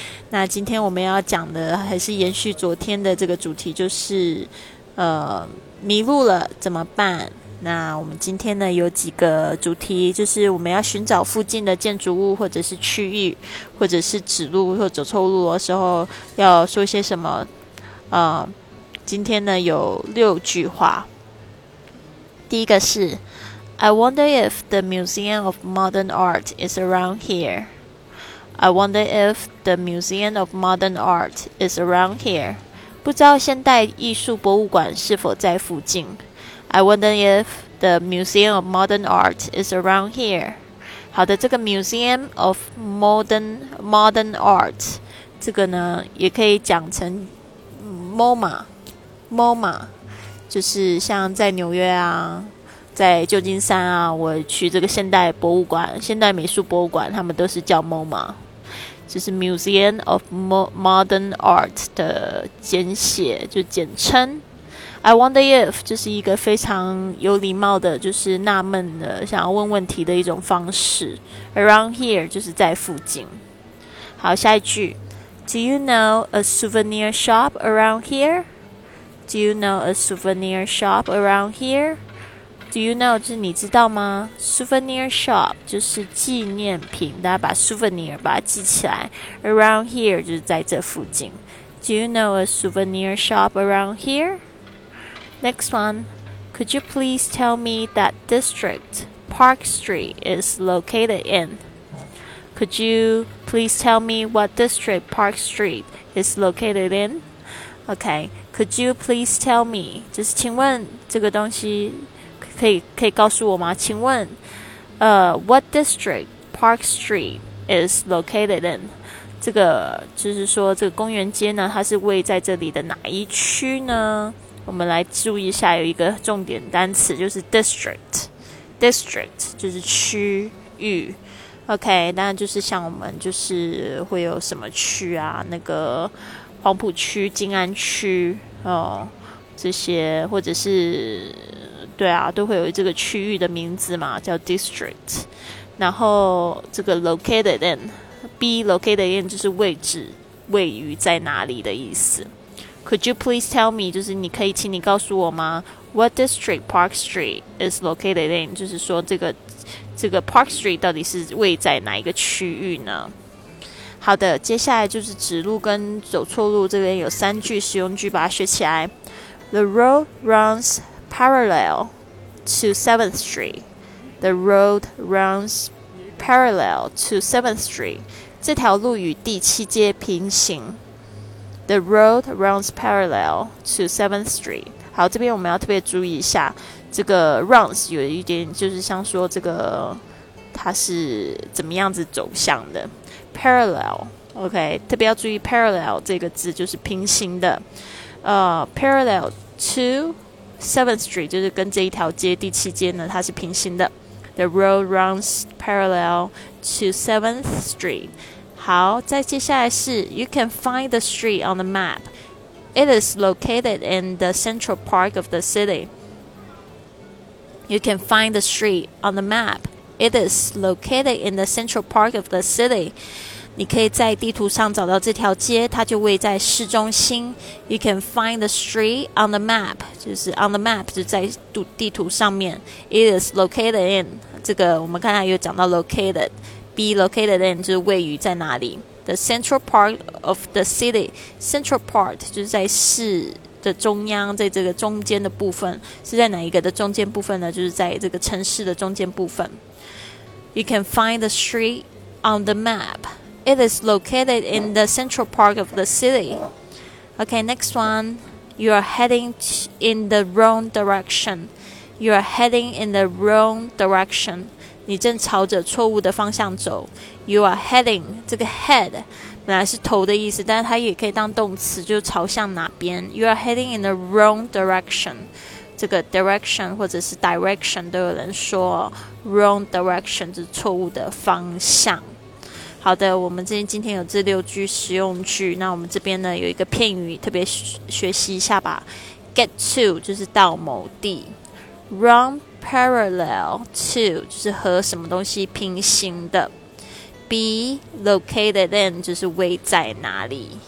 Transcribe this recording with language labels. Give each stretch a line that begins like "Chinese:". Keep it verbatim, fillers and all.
Chinese: 那今天我们要讲的还是延续昨天的这个主题，就是呃，迷路了怎么办？那我们今天呢有几个主题，就是我们要寻找附近的建筑物或者是区域，或者是指路或走错路的时候要说些什么。呃，今天呢有六句话。第一个是
English: I wonder if the Museum of Modern Art is around here. I wonder if the Museum of Modern Art is around here.
Chinese: 不知道现代艺术博物馆是否在附近。
English: I wonder if the Museum of Modern Art is around here.
Chinese: 好的，这个 Museum of Modern Modern Art 这个呢，也可以讲成 MoMA MoMA， 就是像在纽约啊，在旧金山啊，我去这个现代博物馆、现代美术博物馆，他们都是叫 MoMA， 就是 Museum of Mo- Modern Art 的简写，就简称。
English: I wonder if
Chinese: 就是一个非常有礼貌的，就是纳闷的，想要问问题的一种方式。
English: Around here
Chinese: 就是在附近。
English: 好，下一句 ，Do you know a souvenir shop around here? Do you know a souvenir shop around here? Do you know
Chinese: 就是你知道吗 ？
English: Souvenir shop
Chinese: 就是纪念品，大家把 souvenir 把它记起来。
English: Around here
Chinese: 就是在这附近。
English: Do you know a souvenir shop around here? Next one, could you please tell me that district Park Street is located in? Could you please tell me what district Park Street is located in? Okay, could you please tell me?
Chinese: 就是请问这个东西可以可以告诉我吗？请问，呃
English: ，what district Park Street is located in?
Chinese: 这个就是说这个公园街呢，它是位在这里的哪一区呢？我们来注意一下，有一个重点单词就是 district， district 就是区域。 OK， 当然就是像我们就是会有什么区啊，那个黄埔区、静安区哦，这些或者是对啊，都会有这个区域的名字嘛，叫 district。然后这个 located in，
English: be located in
Chinese: 就是位置、位于在哪里的意思。
English: Could you please tell me?
Chinese: 就是你可以请你告诉我吗
English: ？What district Park Street is located in?
Chinese: 就是说这个这个 Park Street 到底是位在哪一个区域呢？好的，接下来就是指路跟走错路，这边有三句实用句，把它学起来。
English: The road runs parallel to seventh Street. The road runs parallel to seventh Street.
Chinese: 这条路与第七街平行。
English: The road runs parallel to seventh Street。
Chinese: 好，这边我们要特别注意一下，这个 runs 有一点就是像说这个它是怎么样子走向的。 parallel， OK， 特别要注意 parallel 这个字就是平行的，呃
English: parallel to seventh Street
Chinese: 就是跟这一条街第七街呢它是平行的。
English: The road runs parallel to seventh Street。好，再接下来是 You can find the street on the map. It is located in the central park of the city. You can find the street on the map. It is located in the central park of the city.
Chinese: 你可以在地图上找到这条街，它就位在市中心。
English: You can find the street on the map，
Chinese: 就是
English: on the map
Chinese: 就在地图上面。
English: It is located in，
Chinese: 这个我们刚才有讲到 located，
English: be located in
Chinese: 就是位于在哪里。
English: The central part of the city， central part
Chinese: 就是在市的中央，在这个中间的部分是在哪一个的中间部分呢？就是在这个城市的中间部分。
English: You can find the street on the map. It is located in the central park of the city. Okay, next one. You are heading in the wrong direction. You are heading in the wrong direction.
Chinese: 你正朝着错误的方向走。
English: You are heading.
Chinese: 这个 head 本来是头的意思，但是它也可以当动词，就是朝向哪边。
English: You are heading in the wrong direction.
Chinese: 这个 direction 或者是 direction 都有人说
English: wrong direction
Chinese: 是错误的方向。好的，我们今天有这六句实用句，那我们这边呢有一个片语，特别学习一下吧。
English: Get to
Chinese: 就是到某地 ，
English: run parallel to
Chinese: 就是和什么东西平行的 ，
English: be located in
Chinese: 就是位在哪里。